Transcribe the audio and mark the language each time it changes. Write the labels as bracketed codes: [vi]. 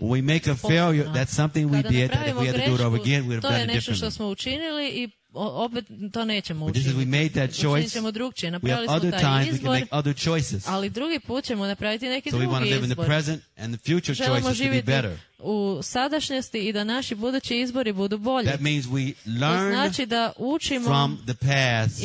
[en] We make a failure, that's something we [hr] kada [en] did, if we had to do it over again, we'd have done it differently. [hr] To je nešto što smo učinili i opet to nećemo učiniti. [en] Because we made that choice, we have other times we can make other choices. [hr] Ali drugi put ćemo napraviti neki drugi izbor. [en] So we want to live in the present and the future choices to be better. [hr] U sadašnjosti i da naši budući izbori budu bolji. [en] That means we learn [hr] znači da učimo [en] from the past,